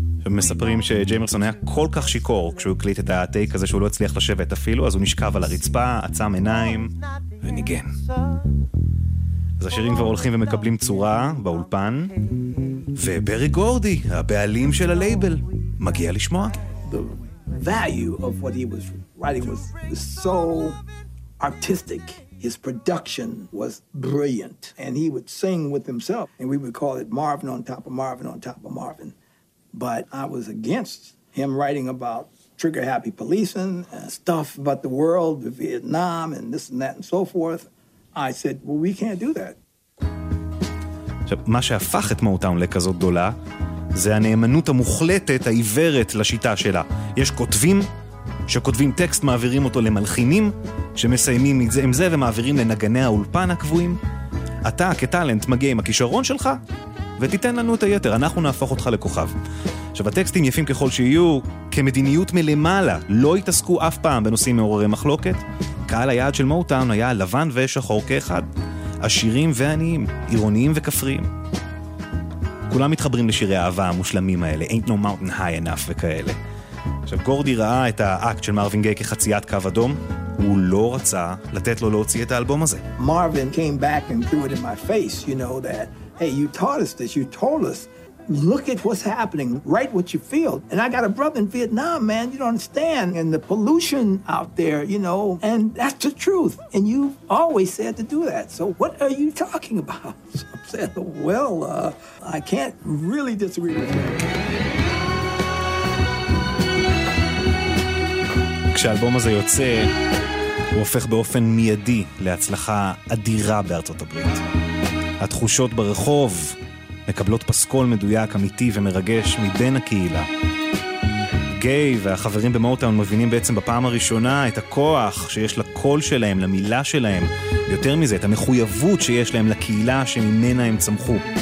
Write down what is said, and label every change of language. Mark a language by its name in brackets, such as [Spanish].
[Hebrew] מספרים שג'יימרסון היה כל כך שיקור כשהוא הקליט את הטייק הזה שהוא לא הצליח לשבת אפילו, אז הוא נשכב על הרצפה, עצם עיניים וניגן. אז השירים כבר הולכים ומקבלים צורה באולפן, וברי גורדי, הבעלים של הלייבל, מגיע לשמוע. [English] The value of what he was writing was so artistic. His production was brilliant. And he would sing with himself. And we would call it Marvin on top of Marvin on top of Marvin. But I was against him writing about trigger happy policing and stuff about the world, the Vietnam and this and that and so forth. I said, well, we can't do that. [Hebrew] מה שהפך את מוטאון לכזאת גדולה זה הנאמנות המוחלטת העיוורת לשיטה שלה. יש כותבים שכותבים טקסט, מעבירים אותו למלחינים שמסיימים עם זה ומעבירים לנגני האולפן הקבועים. אתה כטלנט מגיע עם הכישרון שלך ותיתן לנו את היתר, אנחנו נהפוך אותך לכוכב. עכשיו, הטקסטים יפים ככל שיהיו, כמדיניות מלמעלה, לא התעסקו אף פעם בנושאים מעוררי מחלוקת. קהל היעד של מוטאון היה לבן ושחור כאחד, עשירים ועניים, עירוניים וכפריים. כולם מתחברים לשירי האהבה המושלמים האלה, Ain't No Mountain High Enough וכאלה. עכשיו, גורדי ראה את האקט של מרווין גיי כחציית קו אדום, הוא לא רצה לתת לו להוציא את האלבום הזה. [English] מרווין came back and threw it in my face, you know that. Hey, you taught us this, you told us. Look at what's happening, write what you feel. And I got a brother in Vietnam, man, you don't understand. And the pollution out there, you know, and that's the truth. And you always said to do that. So what are you talking about? So I said, well, I can't really disagree with you. [Hebrew] כשהאלבום הזה יוצא, הוא הופך באופן מיידי להצלחה אדירה בארצות הברית. התחושות ברחוב מקבלות פסקול מדויק, אמיתי ומרגש מבין הקהילה. גיי והחברים במוטאון מבינים בעצם בפעם הראשונה את הכוח שיש לקול שלהם, למילה שלהם, יותר מזה, את המחויבות שיש להם לקהילה שממנה הם צמחו.